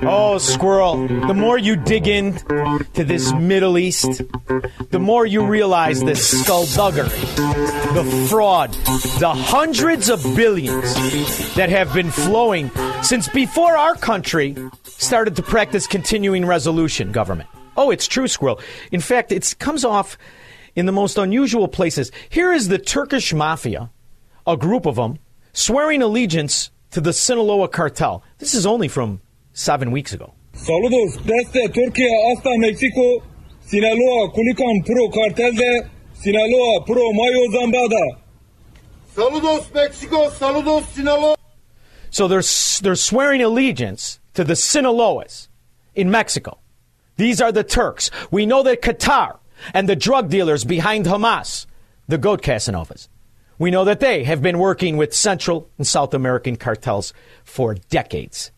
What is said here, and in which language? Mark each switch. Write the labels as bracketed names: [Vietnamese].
[English] Oh, Squirrel, the more you dig in to this Middle East, the more you realize the skullduggery, the fraud, the hundreds of billions that have been flowing since before our country started to practice continuing resolution government. Oh, it's true, Squirrel. In fact, it comes off in the most unusual places. Here is the Turkish mafia, a group of them, swearing allegiance to the Sinaloa cartel. This is only from 7 weeks ago. [Spanish] Saludos desde Turquía hasta México, Sinaloa Culiacán Pro Cartel de Sinaloa Pro Mayo Zambada. Saludos México, saludos Sinaloa. [English] So they're swearing allegiance to the Sinaloas in Mexico. These are the Turks. We know that Qatar and the drug dealers behind Hamas, the goat Casanovas, we know that they have been working with Central and South American cartels for decades.